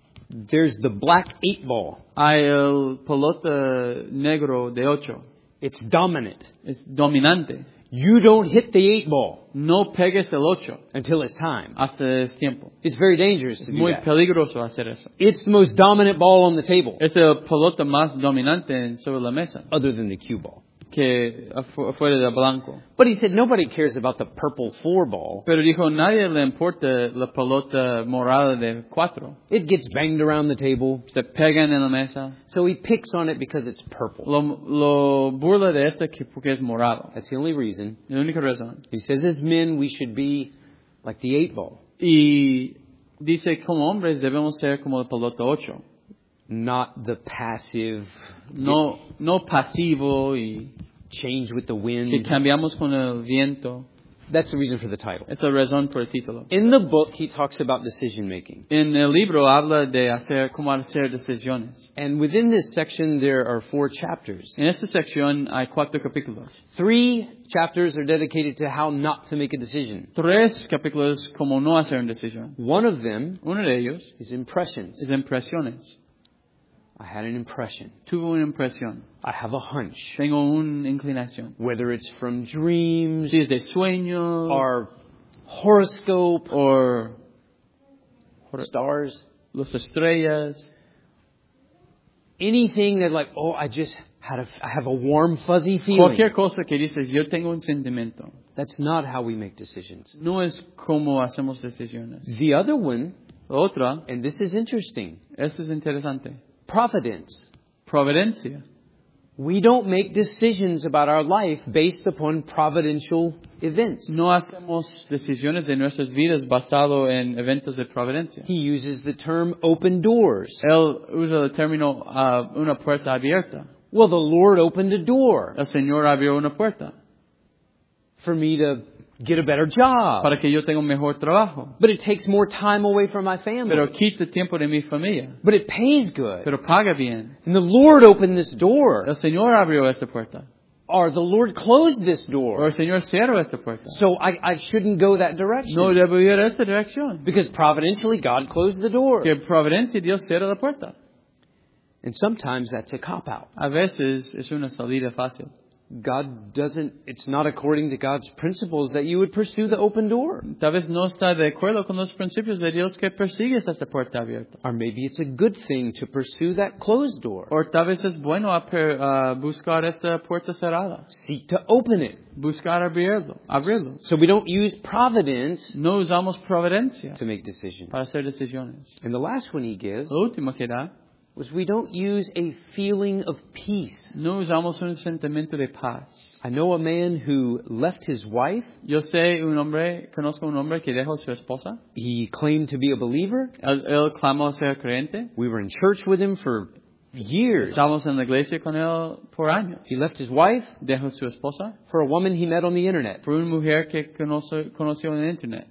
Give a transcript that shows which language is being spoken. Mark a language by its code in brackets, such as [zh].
[en] there's the black eight ball. [es] Hay el pelota negro de ocho. [en] It's dominant. [es] Es dominante. [en] You don't hit the eight ball. [es] No pegues el ocho. [en] Until it's time. [es] Hasta es tiempo. [en] It's very dangerous to do that. [es] Muy peligroso hacer eso. [en] It's the most dominant ball on the table. [es] Es el pelota más dominante sobre la mesa. [en] Other than the cue ball. [es] Que afuera de blanco. [en] But he said nobody cares about the purple four ball. [es] Pero dijo nadie le importa la pelota morada de cuatro. [en] It gets banged around the table. [es] Se pegan en la mesa. [en] So he picks on it because it's purple. [es] Lo burla de esto que porque es morado. [en] That's the only reason. [es] La única razón. [en] He says as men we should be like the eight ball. [es] Y dice como hombres debemos ser como la pelota ocho. [en] Not the passive. [es] No pasivo y [en] change with the wind. [es] Que cambiamos con el viento. [en] That's the reason for the title. [es] Es la razón por el título. [en] In the book, he talks about decision making. [es] En el libro habla de hacer cómo hacer decisiones. [en] And within this section, there are four chapters. [es] En esta sección hay cuatro capítulos. [en] Three chapters are dedicated to how not to make a decision. [es] Tres capítulos cómo no hacer una decisión. [en] One of them, [es] uno de ellos, [en] is impressions. [es] Es impresiones. [en] I had an impression. [es] Tuve una impresión. [en] I have a hunch. [es] Tengo una inclinación. [en] Whether it's from dreams, [es] si es de sueños, [en] or horoscope, or stars, [es] las estrellas, [en] anything that like, oh, I just had I have a warm, fuzzy feeling. [es] Cualquier cosa que dices, yo tengo un sentimiento. [en] That's not how we make decisions. [es] No es como hacemos decisiones. [en] The other one, [es] la otra, [en] and this is interesting. [es] Esto es interesante. [en] Providence. [es] Providencia. [en] We don't make decisions about our life based upon providential events. [es] No hacemos decisiones de nuestras vidas basado en eventos de providencia. [en] He uses the term open doors. [es] Él usa el término una puerta abierta. [en] Well, the Lord opened a door. [es] El Señor abrió una puerta. [en] For me to get a better job. [es] Para que yo tenga un mejor trabajo. [en] But it takes more time away from my family. [es] Pero quita tiempo de mi familia. [en] But it pays good. [es] Pero paga bien. [en] And the Lord opened this door. [es] El Señor abrió esta puerta. [en] Or the Lord closed this door. [es] Or el Señor cerró esta puerta. [en] So I shouldn't go that direction. [es] No debo ir a esta dirección. [en] Because providentially God closed the door. [es] Que providencia Dios cerró la puerta. [en] And sometimes that's a cop out. [es] A veces es una salida fácil. [en] God doesn't, it's not according to God's principles that you would pursue the open door. [es] Tal vez no está de acuerdo con los principios de Dios que persigues esta puerta abierta. [en] Or maybe it's a good thing to pursue that closed door. [es] Or tal vez es bueno buscar esta puerta cerrada. [en] Seek to open it. [es] Buscar abrirlo. [en] So we don't use providence. [es] No usamos providencia. [en] To make decisions. [es] Para hacer decisiones. [en] And the last one he gives. [es] La última que da. [en] Was we don't use a feeling of peace. [es] No usamos un sentimiento de paz. [en] I know a man who left his wife. [es] Yo sé un hombre, conozco un hombre que dejó su esposa. [en] He claimed to be a believer. [es] Él clamó ser creyente. [en] We were in church with him for years. [es] Estábamos en la iglesia con él por años. [en] He left his wife. [es] Dejó su esposa. [en] For a woman he met on the internet. [es] Por una mujer que conoció en el internet.